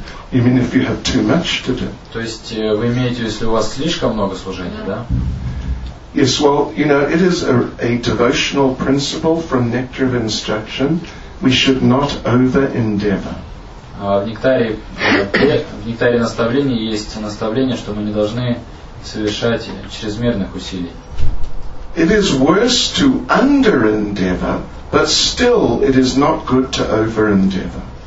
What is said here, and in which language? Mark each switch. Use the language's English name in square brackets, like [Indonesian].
[English] You mean if you have too much to do? [Russian] То есть вы имеете, если у вас слишком много служений, да? [English] Yes, well, you know, it is a devotional principle from Nectar of Instruction. We should not over-endeavor. [Russian] В Нектаре наставления есть наставление, что мы не должны совершать чрезмерных усилий. [English] It is worse to under-endeavor, but still it is not good to over-endeavor.